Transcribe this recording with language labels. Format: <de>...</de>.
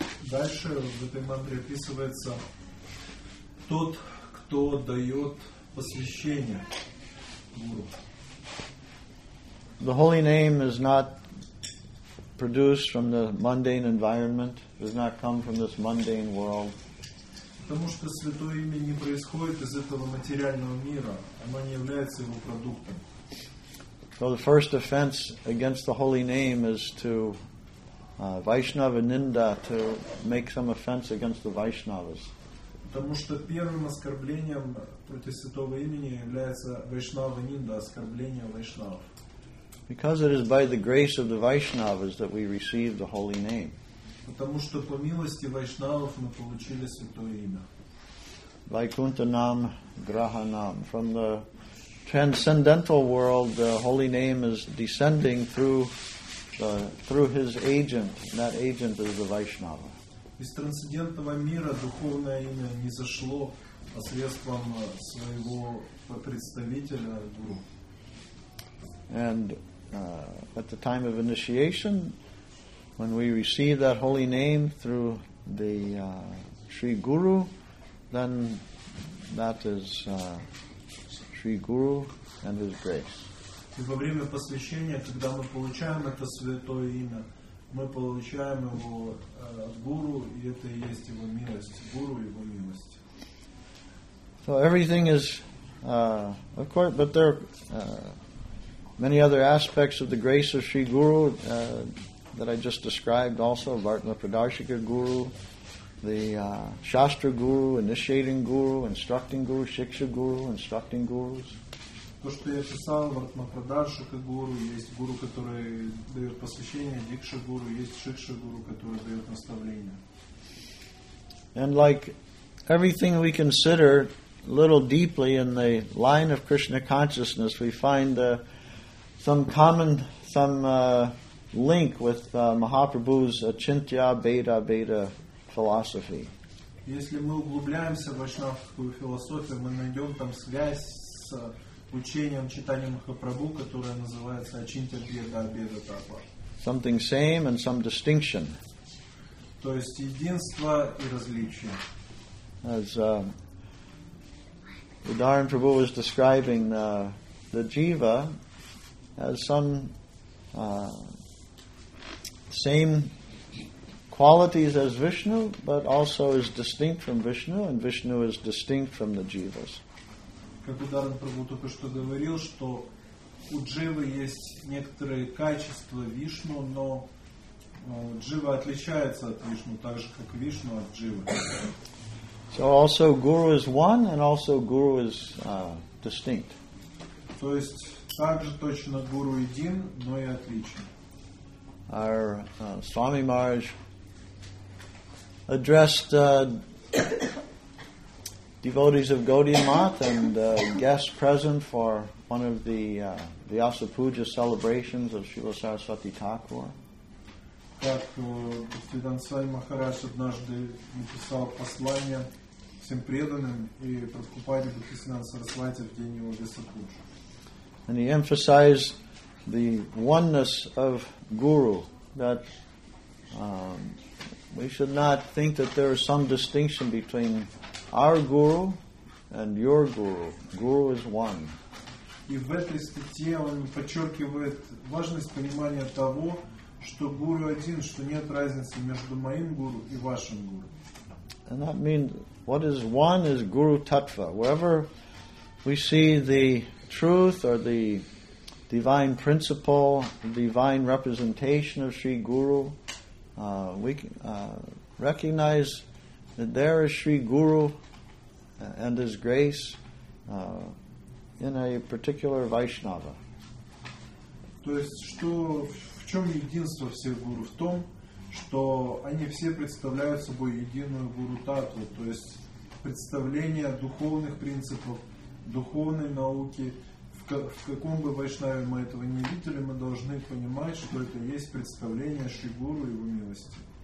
<ru>Дальше в этой мантре описывается тот, кто дает посвящение гуру.</ru> <en>The holy name is not produced from the mundane environment, does not come from this mundane world.</en> <ru>Потому что святое имя не происходит из этого материального мира, оно не является его продуктом.</ru> <en>So the first offense against the holy name is to Vaishnava Ninda, to make some offense against the Vaishnavas.</en> <ru>Потому что первым оскорблением против святого имени является Вайшнава Нинда, оскорбление Вайшнава.</ru> <en>Because it is by the grace of the Vaishnavas that we receive the holy name.</en> <ru>Потому что по милости Вайшнавов мы получили святое имя.</ru> <sa>Vaikunthanam Grahanam.</sa> <en>From the transcendental world, the holy name is descending through his agent. And that agent is the Vaishnava.</en> <ru>Из трансцендентного мира духовное имя не зашло посредством своего представителя гуру.</ru> <en>And at the time of initiation, when we receive that holy name through the Sri Guru, then that is Sri Guru and His grace.</en> <ru>И во время посвящения, когда мы получаем это святое имя, мы получаем его от Гуру, и это и есть его милость. Гуру и его милость.</ru> <en>So everything is, of course, but there. Many other aspects of the grace of Sri Guru that I just described also, Vartna Pradarshika Guru, the Shastra Guru, Initiating Guru, Instructing Guru, Shiksha Guru, Instructing Gurus.</en> <ru>То, что я писал, Вартна Прадаршика Гуру, есть Гуру, который дает посвящение, Дикша Гуру, есть Шикша Гуру, который дает наставление.</ru> <en>And like everything we consider a little deeply in the line of Krishna consciousness, we find the link with Mahaprabhu's Achintya Beda Beda philosophy.</en> <ru>Если мы углубляемся в вайшнавскую философию, мы найдем там связь с учением Чайтанья Махапрабху, которое называется Ачинтья Беда Беда Тапа.</ru> <en>Something same and some distinction.</en> <ru>То есть единство и различие.</ru> <en>As Udayan Prabhu was describing the jiva has some same qualities as Vishnu, but also is distinct from Vishnu, and Vishnu is distinct from the jivas.</en> <ru>Как Ударан Прабху только что говорил, что у дживы есть некоторые качества Вишну, но джива отличается от Вишну, так же как Вишну от дживы.</ru> <en>So also Guru is one, and also Guru is distinct.</en> <ru>То есть также точно гуру един, но и отличен.</ru> <en>Our Swami Maharaj addressed devotees of Gaudiya Math and guests present for one of the Vyasa Puja celebrations of Srila Saraswati Thakur.</en> <ru>Как Бхактивиданта Свами Махарадж однажды написал послание всем преданным и Прабхупаде Бхактивиданта Сарасвати в день его Вьяса Пуджи.</ru> <en>And he emphasized the oneness of Guru, that we should not think that there is some distinction between our Guru and your Guru. Guru is one.</en> <ru>И в этой статье он подчеркивает важность понимания того, что Guru один, что нет разницы между моим Guru и вашим Guru.</ru> <en>And that means what is one is Guru Tattva. Wherever we see the truth or the divine principle, divine representation of Sri Guru, we recognize that there is Sri Guru and His grace in a particular Vaishnava.</en> <ru>То есть, что в чем единство всех гуру? В том, что они все представляют собой единую гуру-татву, то есть представление духовных принципов, духовной науки. В каком бы вайшнаве мы этого не видели, мы должны понимать, что это есть представление Шри Гуру и его милости.</ru>